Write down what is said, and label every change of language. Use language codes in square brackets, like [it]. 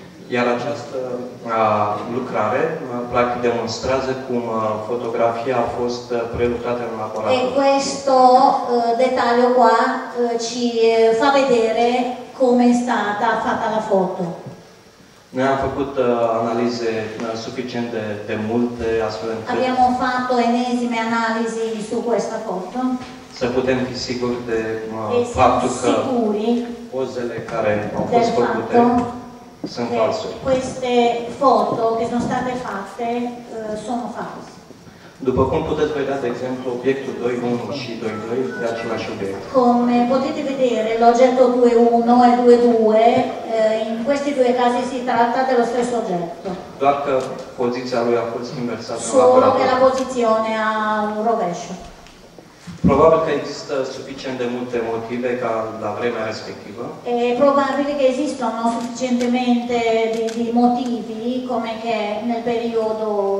[ro] Iar această lucrare, practic, demonstrează cum fotografia a fost prelucrată în laborator. [it] E questo dettaglio qua ci fa vedere come è stata fatta la foto. [ro] Noi am făcut analize suficient de multe, astfel încât [it] abbiamo fatto enesime analisi su questa foto. [ro] Să putem fi siguri de faptul că pozele care au fost făcute sunt false. [it] Queste foto che sono state fatte sono false. [ro] După cum puteți vedea, de exemplu, obiectul 2.1 și 2.2 de același obiect. [it] Come potete vedere, l'oggetto 2.1 e 2.2, in questi due casi si tratta dello stesso oggetto. [ro] Doar că poziția lui a fost inversată. [it] Solo che la posizione a rovescio. [ro] Probabil că există suficient de multe motive ca la vremea respectivă. [it] E [ro] probabil că există [it] suficientemente di motivi come che nel periodo